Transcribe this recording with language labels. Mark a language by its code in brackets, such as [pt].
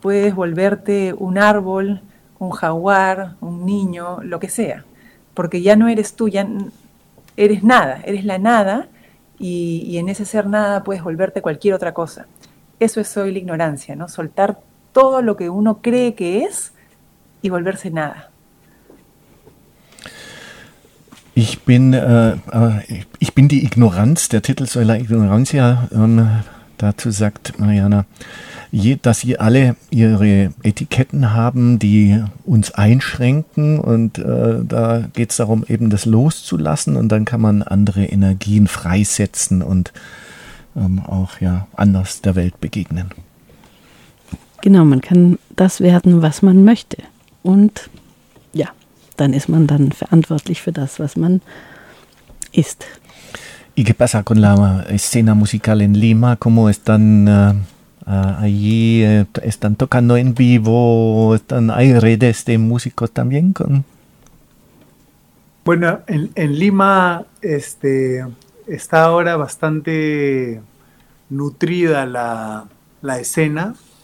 [es] Puedes volverte un árbol, un jaguar, un niño, lo que sea, porque ya no eres tú, ya eres nada, eres la nada, y en ese ser nada puedes volverte cualquier otra cosa. Eso es hoy la ignorancia, ¿no? Soltar todo lo que uno cree que es y volverse nada. [de] Ich bin die Ignoranz, der Titel soll la Ignorancia, dazu sagt Mariana, dass sie alle ihre Etiketten haben, die uns einschränken, und da geht es darum, eben das loszulassen, und dann kann man andere Energien freisetzen und auch ja anders der Welt begegnen. Genau, man kann das werden, was man möchte, und ja, dann ist man dann verantwortlich für das, was man ist. [es] ¿Y qué pasa con la escena musical en Lima? ¿Cómo están allí? ¿Están tocando en vivo? ¿Hay redes de músicos también? Bueno, en Lima está ahora bastante nutrida la escena.